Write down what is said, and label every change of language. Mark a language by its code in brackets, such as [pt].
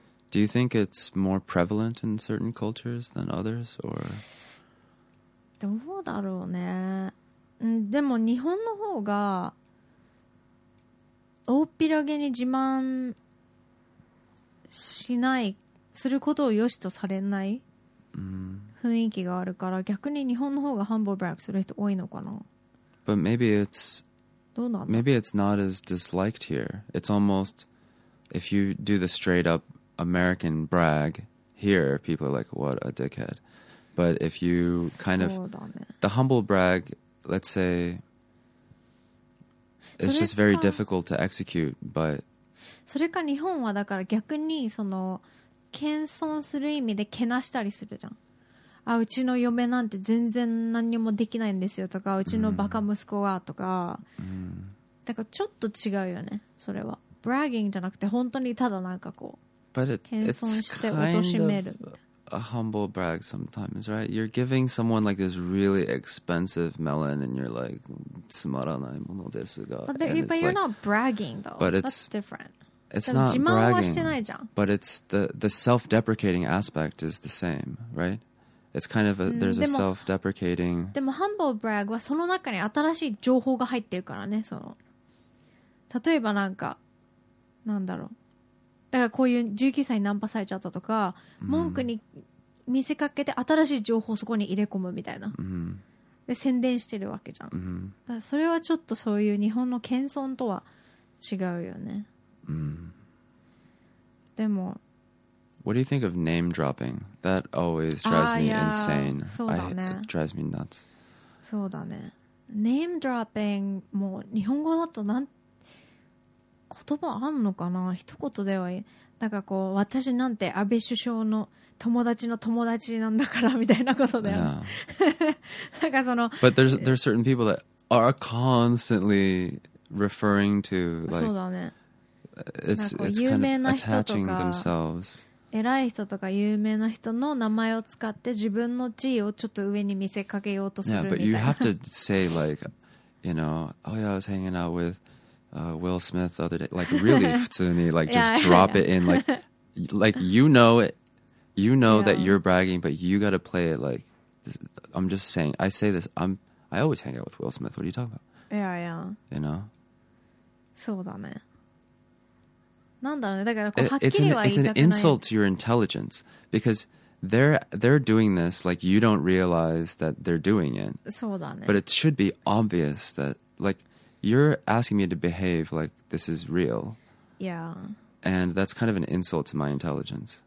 [en] Do you think it's more prevalent in certain cultures than others, or? [ja] どうだろうね。でも日本の方が大っぴらげに自慢しないすることを良しとされない雰囲気があるから、逆に日本の方がハンブルブラックする人多いのかな。 [en] But maybe it's [ja] どうなんだ、 [en] maybe it's not as disliked here. It's almost if you do the straight up American brag here, people are like, what a dickhead. But if you kind of, the humble brag, let's say, it's just very difficult to execute, but... [ja] それか日本はだから逆にその謙遜する意味でけなしたりするじゃん。あ、うちの嫁なんて全然何にもできないんですよとか、うちのバカ息子はとか。だからちょっと違うよね、それは。 Bragging じゃなくて本当にただなんかこう、謙遜して貶めるみたいな。 [en] A humble brag sometimes, right? You're giving someone like this really expensive melon and you're like, [ja] つまらないものですが. [en] But you're not bragging though. But it's, that's different. It's not bragging. [ja] 自慢はしてないじゃん。 [en] But it's the self-deprecating aspect is the same, right? It's kind of a, there's a self-deprecating. [ja] でも humble brag はその中に新しい情報が入ってるからね。その例えばなんか、なんだろう。だからこういう19歳にナンパされちゃったとか、文句に見せかけて新しい情報をそこに入れ込むみたいな、で宣伝してるわけじゃん。だからそれはちょっとそういう日本の謙遜とは違うよね。でも [en] What do you think of name dropping? That always drives me insane. [ja] そうだね。 [en] It drives me nuts. [ja] そうだね。 Name dropping も日本語だとなんて言葉あんのかな、一言では、なんかこう、私なんて安倍首相の友達の友達なんだからみたいなことだよ。 [en] Yeah. [ja] なんかその [en] But there's certain people that are constantly referring to like [ja] そうだね。 [en] It's kind of attaching themselves. [ja] 偉い人とか有名な人の名前を使って自分の地位をちょっと上に見せかけようとするみたいな。 [en] Yeah, but you have to say like, you know, oh yeah, I was hanging out with Will Smith the other day. Like really 普通に like just drop it in like you know it. You know that you're bragging, but you gotta play it like I'm just saying. I say this. I always hang out with Will Smith. What are you talking about? Yeah, yeah. You know? [ja] そうだね。なんだろうね。だからこうはっきりは言いたくない。 [en] It's an insult to your intelligence because they're doing this like you don't realize that they're doing it. [ja] そうだね。 [en] But it should be obvious that like you're asking me to behave like this is real. Yeah. And that's kind of an insult to my intelligence.